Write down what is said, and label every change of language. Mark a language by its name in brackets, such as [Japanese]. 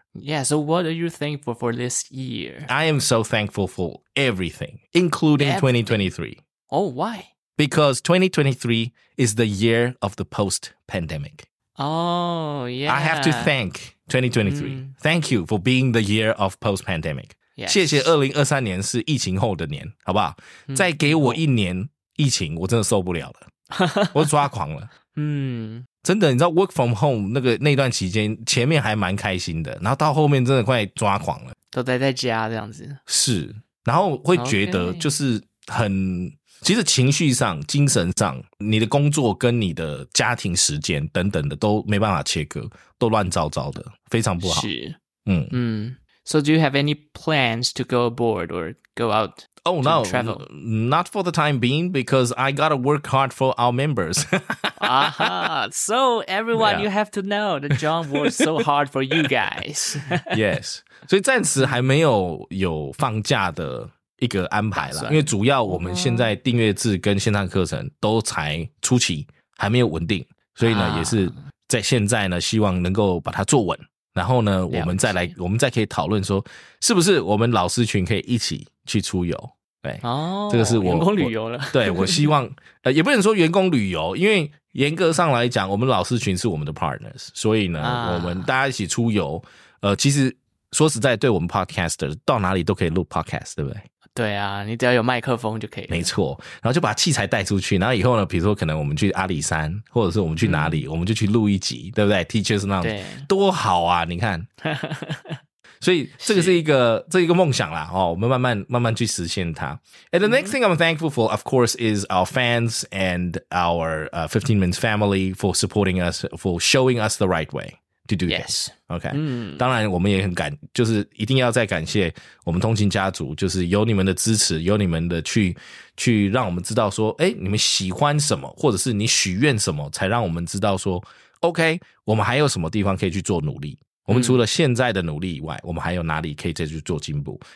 [English] Yeah, so what are you thankful for this year? I am so thankful for everything, including everything. 2023. Oh, why? Because 2023 is the year of the post-pandemic. Oh, yeah. I have to thank 2023.、Mm. Thank you for being the year of post-pandemic.、 Yes. [Chinese] 谢谢2023年是疫情后的年，好不好？ Mm. 再给我一年疫情，我真的受不了了。我抓狂了。嗯、mm.。真的，你知道 [English] work from home [Chinese] 那段期间，前面还蛮开心的，然后到后面真的快抓狂了。都待在家这样子。是。然后会觉得就是很、okay. 其实情绪上精神上你的工作跟你的家庭时间等等的都没办法切割，都乱糟糟的，非常不好。是。嗯。 [English] 嗯。So do you have any plans to go abroad or go out? Oh no, travel? Not for the time being because I gotta work hard for our members. Aha, so everyone、yeah. you have to know that John works so hard for you guys. Yes. [Chinese] 所以暂时还没有放假的一个安排啦，因为主要我们现在订阅制跟线上课程都才初期还没有稳定，所以呢、啊、也是在现在呢希望能够把它做稳，然后呢我们再来我们再可以讨论说是不是我们老师群可以一起去出游，对、哦、这个是我员工旅游了，我对我希望也不能说员工旅游，因为严格上来讲我们老师群是我们的 partners， 所以呢、啊、我们大家一起出游其实说实在对我们 podcaster 到哪里都可以录 podcast， 对不对？对啊，你只要有麦克风就可以了。没错，然后就把器材带出去，然后以后呢，比如说可能我们去阿里山，或者是我们去哪里，嗯、我们就去录一集，对不对 ？Teachers Lounge， 多好啊！你看，所以这个是一个是这一个梦想啦、哦、我们慢慢慢慢去实现它。 [English] And the next thing I'm thankful for of course is our fans and our 15 Minutes family for supporting us, for showing us the right way to do this. [Chinese] OK、嗯、当然我们也很感就是一定要再感谢我们通勤家族，就是有你们的支持，有你们的去让我们知道说诶你们喜欢什么，或者是你许愿什么，才让我们知道说 OK 我们还有什么地方可以去做努力，我们除了现在的努力以外、嗯、我们还有哪里可以再去做进步。